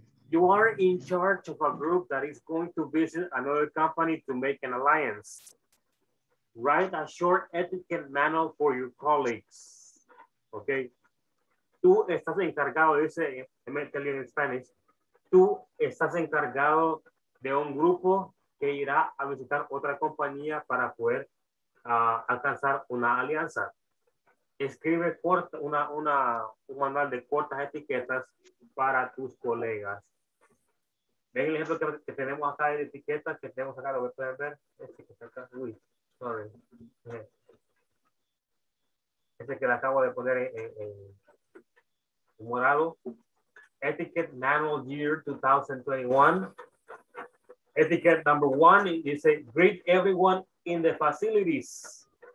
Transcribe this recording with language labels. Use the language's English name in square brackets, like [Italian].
[English] You are in charge of a group that is going to visit another company to make an alliance. Write a short etiquette manual for your colleagues. [Spanish] Okay. Tú estás encargado, dice, métele en Spanish. Tú estás encargado de un grupo que irá a visitar otra compañía para poder alcanzar una alianza. Escribe un manual de cortas etiquetas para tus colegas. Ven el ejemplo que tenemos acá de etiquetas, que tenemos acá, lo voy a poder ver. Este que está acá, uy, sorry. Este que le acabo de poner en morado. [English] Etiquette manual year 2021. Etiquette number one, you say, greet everyone in the facilities.